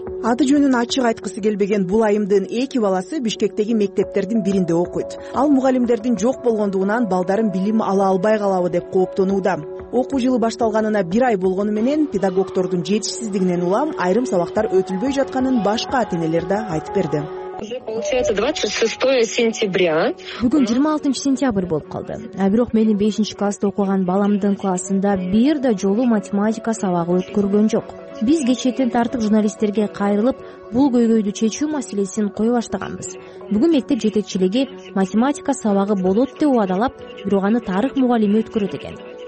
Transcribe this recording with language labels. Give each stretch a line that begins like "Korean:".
Kyrgyz: Аты жөнүн ачык айткысы келбеген бул айымдын эки баласы Бишкектеги мектептердин биринде окуйт. Ал мугалимдердин жок болгондугунан балдарын билим ала албай калабы деп кооптонууда. Окуу жылы башталганына бир ай болгону менен педагогтордун жетишсиздигинен улам айрым сабактар өтүлбөй жатканын башка ата-энелер да айтып берди.
Russian: Уже получается 26 сентября.
Kyrgyz: Бүгүн 26 сентябрь болуп калды. А бирок менин 5-класста окуган баламдын классында бир да жолу математика сабагы өткөргөн жок. Биз кечээден тартып журналисттерге кайрылып, бул көйгөйдү чечүү маселесин кое баштаганбыз. Бүгүн мектеп жетекчилиги математика сабагы болот деп убадалап, бирок аны тарых мугалими өткөрөт экен.